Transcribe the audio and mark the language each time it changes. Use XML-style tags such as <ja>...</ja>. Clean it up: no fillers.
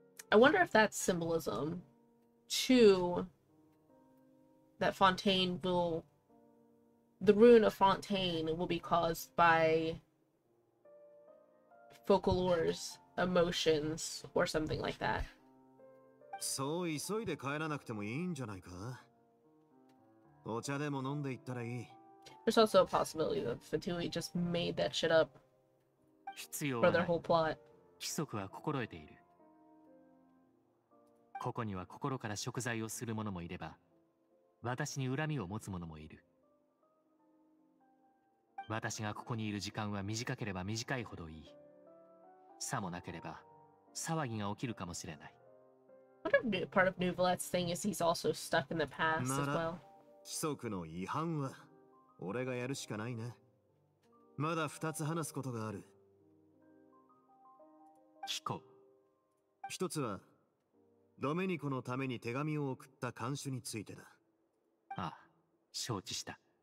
<en>I wonder if that's symbolism, too, that Fontaine will, the ruin of Fontaine will be caused by Focalore's emotions or something like that.</en> <ja>So, 急いで帰らなくてもいいんじゃないか。お茶でも飲んでいったらいい。</ja> <en>There's also a possibility that Fatui just made that shit up for their whole plot.</en> <ja>規則は心得ている。ここには心から食材をする者もいれば、私に恨みを持つ者もいる。私がここにいる時間は短ければ短いほどいい。さもなければ騒ぎが起きるかもしれない。</ja> <en>What a part of Nouvellet's thing is he's also stuck in the past as well.</en> <ja>規則の違反は俺がやるしかないね。まだ二つ話すことがある。聞こう。一つは、ドメニコのために手紙を送った看守についてだ。ああ、承知した。</ja>